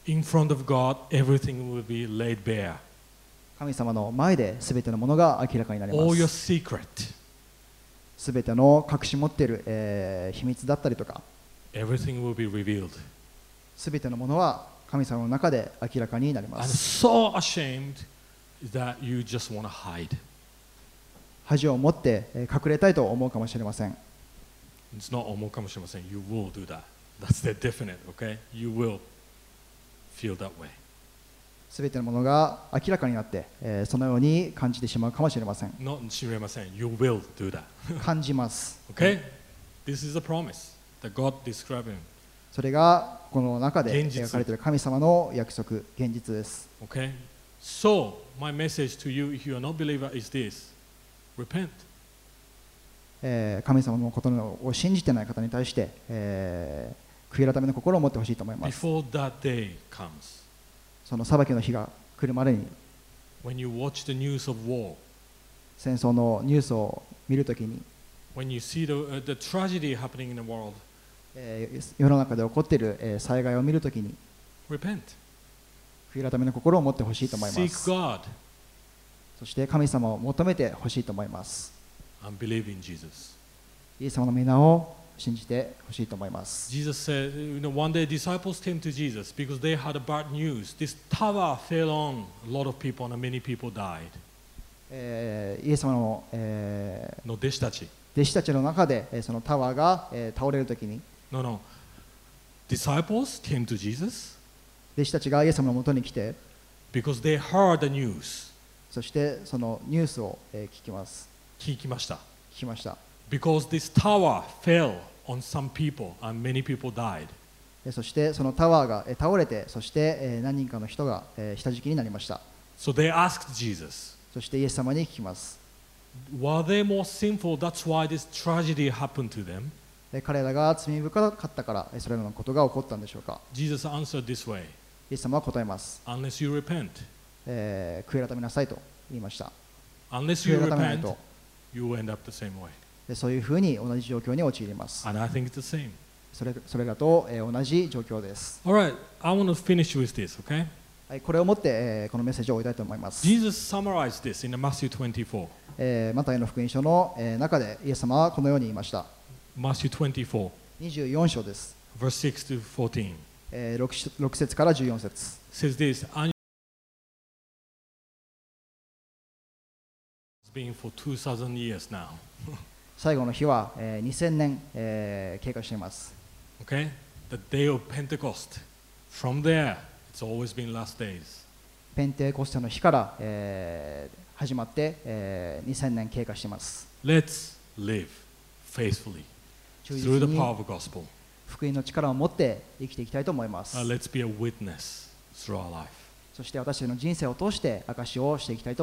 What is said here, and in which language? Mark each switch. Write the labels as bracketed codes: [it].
[en] In front of God, everything will be laid bare. [ja] 神様の前で全てのものが明らかになります。 [en] All your secret. [ja] すべての隠し持っている、秘密だったりとか、 [en] Everything will be revealed. [ja] すべてのものは神様の中で明らかになります。 [en] I'm so ashamed that you just want to hide. [ja] 恥を持って、隠れたいと思うかもしれません。 [en] It's not [ja] 思うかもしれません。 [en] You will do that. That's the definite, okay? You will feel that way. [ja] すべてのものが明らかになって、そのように感じてしまうかもしれません。 [en] Not [ja] 知れません。 [en] You will do that. [ja] 感じます。 [en] Okay? This is a promise that God describing. [ja] それがこの中で描かれている神様の約束、現実です。 [en] Okay? So, my message to you, if you are not a believer, is this. Repent. [ja] 神様のことを信じていない方に対して、悔い改めの心を持ってほしいと思います。 [en] Before that day comes. [ja] その裁きの日が来るまでに。 [en] When you watch the news of war. [ja] 戦争のニュースを見るときに、 [en] When you see the tragedy happening in the world, [ja] 世の中で起こっている、災害を見るときに、 [en] Repent. [ja] 悔い改めの心を持ってほしいと思います。 [en] Seek God. [ja] そして神様を求めてほしいと思います。 [en] And believe in Jesus. [ja] イエス様の御名を信じてほしいと思います。 [en] Jesus said, you know, one day disciples came to Jesus because they had a bad news. This tower fell on a lot of people and many people died. [ja] イエス様 の,、の弟子たち弟子たちの中で、そのタワーが、倒れるときに [en] No, no. Disciples came to Jesus. [ja] 弟子たちがイエス様のもとに来て [en] Because they heard the news. [ja] そしてそのニュースを、聞きます聞きました聞きました [en] Because this tower fell on some people and many people died. [ja] そしてそのタワーが、倒れてそして、何人かの人が、下敷きになりました [en] So they asked Jesus. [ja] そしてイエス様に聞きます。 [en] Were they more sinful? That's why this tragedy happened to them. [ja] 彼らが罪深かったからそれらのことが起こったんでしょうか。 [en] Jesus answered this way. [ja] イエス様は答えます。 [en] Unless you repent. [ja] 悔い改めなさいと言いました。 [en] Unless you repent, you will end up the same way. [ja] そういうふうに同じ状況に陥ります。 [en] And I think it's the same. [ja] それらと同じ状況です。 [en] All right, I want to finish with this, okay? [ja] これをもってこのメッセージを終えたいと思います。 [en] Jesus summarized this in Matthew 24. [ja] マタイの福音書の中でイエス様はこのように言いました。 [en] Matthew 24. [ja] 24章です。 [en] Verse 6 to 14. [ja] 6節から14節。 [en] Says this, and it's been for 2,000 years now. [ja] 最後の日は2000年経過しています。 [en] Okay? The day of Pentecost. From there,It's always been last days. [ja] ペンテコステの日から、始まって、2000年経過しています。 [en] Let's live faithfully through the power of the gospel. [ja] 福音の力を持って生きていきたいと思います。 [en] Let's be a witness through our life. [ja] そして私の人生を通して証しをしていきたいと思います。